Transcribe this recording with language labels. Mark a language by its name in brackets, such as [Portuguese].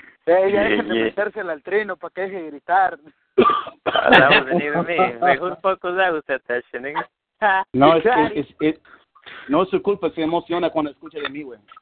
[Spanish] Hey, ya dejen de metérsela al trino para que deje de gritar. [English] That wasn't even me. Like, who the fuck was that with that touch, nigga? [Spanish] No, no es su culpa, se emociona cuando escucha de mí, güey.